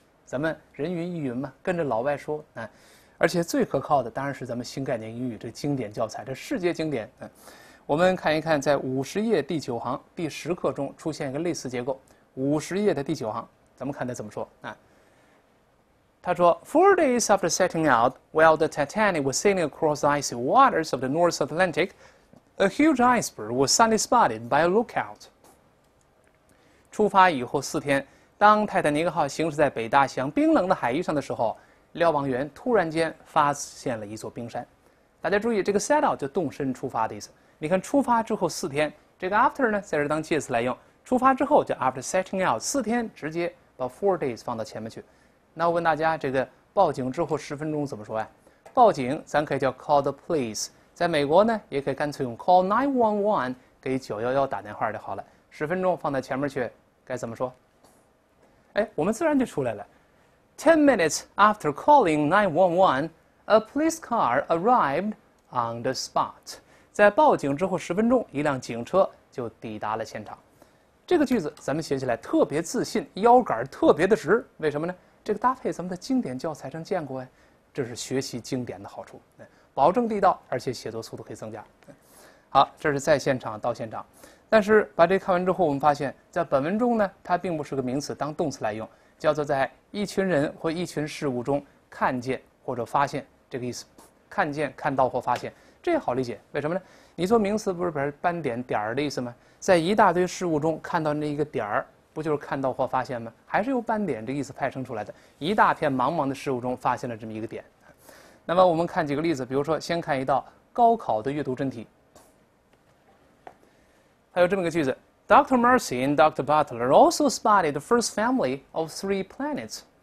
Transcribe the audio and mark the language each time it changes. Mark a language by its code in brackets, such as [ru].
[zh] 咱们人云亦云嘛，跟着老外说啊。而且最可靠的当然是咱们新概念英语这经典教材，这世界经典。我们看一看，在50页第九行第十课中出现一个类似结构。 50页的第九行，咱们看他怎么说啊？ [en] 他说：“Four days after setting out, while the Titanic was sailing across the icy waters of the North Atlantic, a huge iceberg was suddenly spotted by a lookout.” [zh] 出发以后4天，当泰坦尼克号行驶在北大西洋冰冷的海域上的时候，瞭望员突然间发现了一座冰山。大家注意，这个 set out 就动身出发的意思。你看，出发之后四天，这个 after 呢，在这当介词来用。出发之后就 [en] after setting out [zh] 4天，直接把 four days 放到前面去。那我问大家，这个报警之后十分钟怎么说呀？报警咱可以叫 [en] call the police， [zh] 在美国呢也可以干脆用 [en] call 911 [zh] 给911打电话就好了。十分钟放在前面去该怎么说？哎，我们自然就出来了。 [en] 10 minutes after calling 911， a police car arrived on the spot。 [zh] 在报警之后十分钟，一辆警车就抵达了现场。这个句子咱们写起来特别自信，腰杆特别的直，为什么呢？这个搭配咱们的经典教材上见过呀，这是学习经典的好处，保证地道，而且写作速度可以增加。好，这是在现场到现场，但是把这看完之后，我们发现在本文中呢，它并不是个名词，当动词来用，叫做在一群人或一群事物中看见或者发现，这个意思，看见、看到或发现，这也好理解，为什么呢？你做名词不是把斑点点儿的意思吗？在一大堆事物中看到那一个点儿，不就是看到或发现吗？还是由斑点这意思派生出来的。一大片茫茫的事物中发现了这么一个点。那么我们看几个例子，比如说先看一道高考的阅读真题，还有这么一个句子：Dr. [en] Mercy and Dr. Butler also spotted the first family of three planets.